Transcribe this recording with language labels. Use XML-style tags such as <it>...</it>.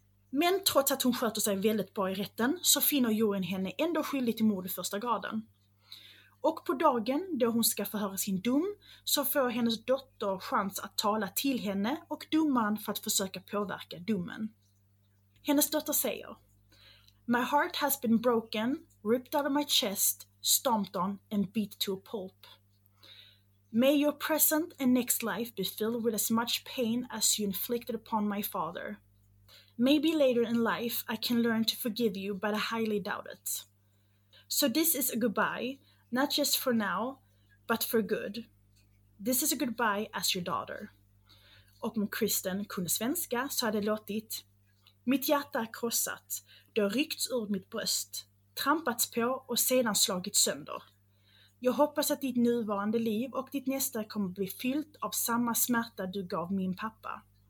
<sv>Men trots att hon sköter sig väldigt bra i rätten så finner juryn henne ändå skyldig till mord i första graden. Och på dagen då hon ska förhöra sin dom så får hennes dotter chans att tala till henne och domaren för att försöka påverka domen.</sv> <en>Hennes dotter säger: "My heart has been broken, ripped out of my chest, stomped on and beat to a pulp. May your present and next life be filled with as much pain as you inflicted upon my father. Maybe later in life I can learn to forgive you, but I highly doubt it. So this is a goodbye, not just for now, but for good. This is a goodbye as your daughter."</en> <sv>Och om Kristen kunde svenska så hade det låtit: "Mitt hjärta är krossat, det har ryckts ur mitt bröst, trampats på och sedan slagit sönder. Jag hoppas att ditt nuvarande liv och ditt nästa kommer bli fyllt av samma smärta du gav min pappa.</sv>